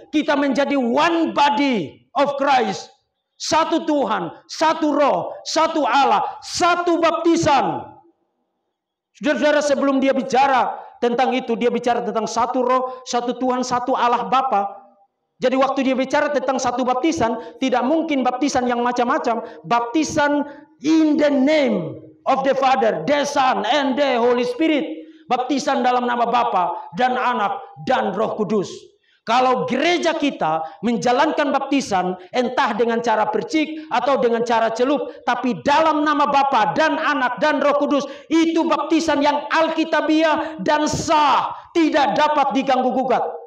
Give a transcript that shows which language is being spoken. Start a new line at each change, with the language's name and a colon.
Indonesian: Kita menjadi
English: one body of Christ.
Indonesian: Satu Tuhan, satu Roh, satu Allah, satu baptisan. Saudara-saudara, sebelum dia bicara tentang itu, dia bicara tentang satu Roh, satu Tuhan, satu Allah Bapa. Jadi waktu dia bicara tentang satu baptisan, tidak mungkin baptisan yang macam-macam.
English: Baptisan in the name of the Father, the Son, and the Holy Spirit.
Indonesian: Baptisan dalam nama Bapa dan Anak dan Roh Kudus. Kalau gereja kita menjalankan baptisan entah dengan cara percik atau dengan cara celup, tapi dalam nama Bapa dan Anak dan Roh Kudus, itu baptisan yang alkitabiah dan sah, tidak dapat diganggu gugat.